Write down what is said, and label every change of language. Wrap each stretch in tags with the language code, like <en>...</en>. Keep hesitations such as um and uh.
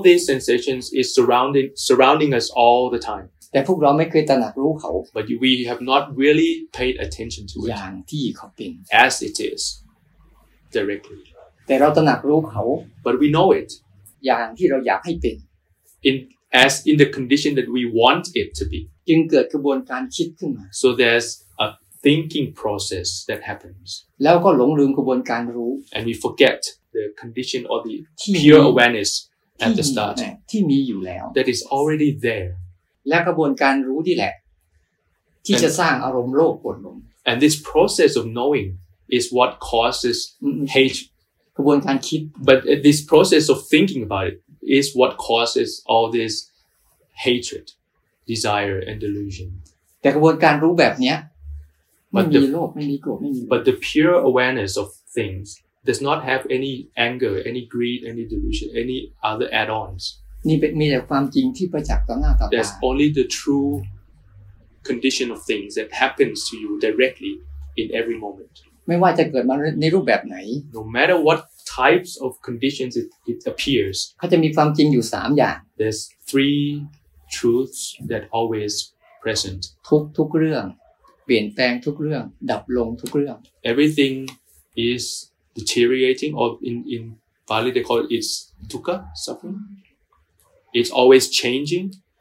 <en>these sensations is surrounding surrounding us all the time.</en> <th>แต่พวกเราไม่เคยตระ หนักรู้เขา</th> <en>but we have not really paid attention to it</en> <th>อย่างที่เขาเป็น</th> <en>as it is directly</en> <th>แต่เราตระหนักรู้เขา</th> <en>but we know it</en> <th>อย่างที่เราอยากให้เป็น</th> <en>in as in the condition that we want it to be</en> <th>จึงเกิดกระบวนการคิดขึ้นมา</th> <en>so there's a thinking process that happens</en> <th>แล้วก็หลงลืมกระบวนการรู้</th> <en>and we forget the condition or the pure awareness at the start</en> <th>ที่มีอยู่แล้ว</th> <en>that is already there</en> <th>และกระบวนการรู้ที่แหละ ที่จะสร้างอารมณ์โลกกดลง</th> <en>and, and this process of knowing is what causes hate but this process of thinking about it is what causes all this hatred desire and delusion</en> <th>แต่กระบวนการรู้แบบเนี้ยไม่มีโล กไม่มีโกรธไม่มี</th> <en>but, but the pure awareness of things does not have any anger any greed any delusion any other add-ons</en> <th>นี่เป็นมีแต่ความจริงที่ประจักษ์ต่อหน้าต่อตา</th> <en>There's only the true condition of things that happens to you directly in every moment</en> <th>ไม่ว่าจะเกิดมาในรูปแบบไหน</th> <en>No matter what types of conditions it, it appears</en> <th>เขาจะมีความจริงอยู่ 3 อย่าง</th> <en>There's three truths that always present</en> <th>ทุกทุกเรื่อง เปลี่ ยนแปลงทุกเรื่อง ดับลงทุกเรื่อง</th> <en>Everything is deteriorating or in in Bali they call it ทุกข์ suffering it's always changing.</en>